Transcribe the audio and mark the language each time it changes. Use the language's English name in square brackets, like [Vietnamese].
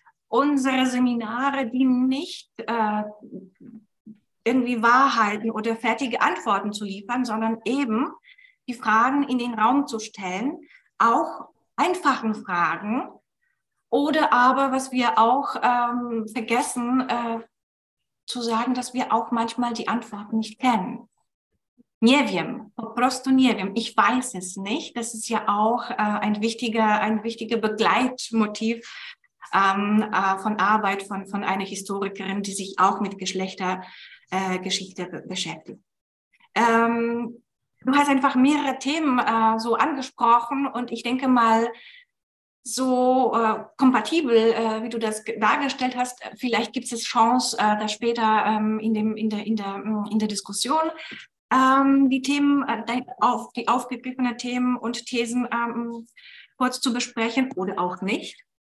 [German] Unsere Seminare, die nicht irgendwie Wahrheiten oder fertige Antworten zu liefern, sondern eben die Fragen in den Raum zu stellen, auch einfachen Fragen oder aber, was wir auch vergessen, zu sagen, dass wir auch manchmal die Antworten nicht kennen. [Polish] Nie wiem, poprostu nie wiem. [German] Ich weiß es nicht. Das ist ja auch ein wichtiger Begleitmotiv von Arbeit von einer Historikerin, die sich auch mit Geschlechtergeschichte beschäftigt. Du hast einfach mehrere Themen so angesprochen und ich denke mal, so kompatibel, wie du das dargestellt hast, vielleicht gibt es Chance, da später in der Diskussion die Themen, die aufgegriffenen Themen und Thesen kurz zu besprechen oder auch nicht.